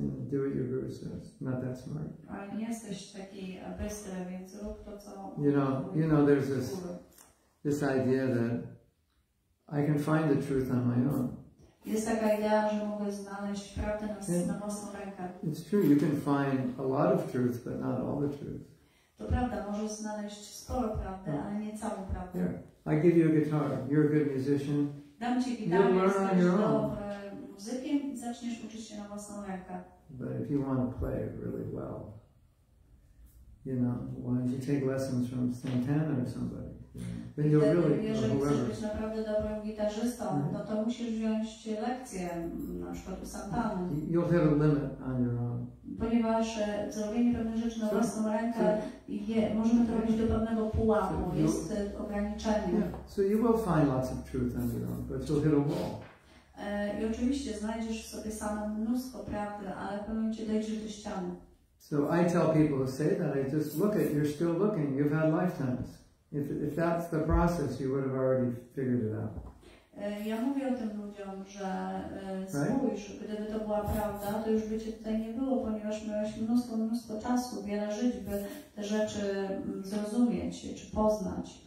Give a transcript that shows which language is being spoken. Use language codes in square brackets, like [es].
[en] do what your guru says, not that smart. You know, there's this idea that I can find the truth on my own. [pl] Jest taka idea, że mogę znaleźć prawdę na własną rękę. [en] It's true, you can find a lot of truth, but not all the truth. [pl] To prawda, możesz znaleźć sporo prawdy, ale nie całą prawdę. [en] Here, I give you a guitar, you're a good musician. [pl] Dam ci gitarę, jesteś dobrym muzykiem, zaczniesz uczyć się na własną rękę. [en] But if you want to play really well, you know, why don't you take lessons from Santana or somebody? Then you'll really, [pl] jeżeli chcesz być naprawdę dobrym gitarzystą, no to musisz wziąć lekcję, na przykład u Santana. [en] You'll have a limit on your own. [pl] Ponieważ zrobienie pewnych rzeczy na własną rękę, możemy to robić do pewnego pułapu, jest ograniczenie. [en] Yeah. So you will find lots of truth on your own, but you'll hit a wall. [pl] I oczywiście znajdziesz w sobie samo mnóstwo prawdy, ale pewnie cię dojdzie do ściany. [en] So I tell people who say that, I just look at, you're still looking, you've had lifetimes. If that's the process, you would have already figured it out. [pl] Ja mówię o tym ludziom, że spójrz, gdyby to była prawda, to już by cię tutaj nie było, ponieważ miałeś mnóstwo czasu, wiele żyć, by te rzeczy zrozumieć czy poznać.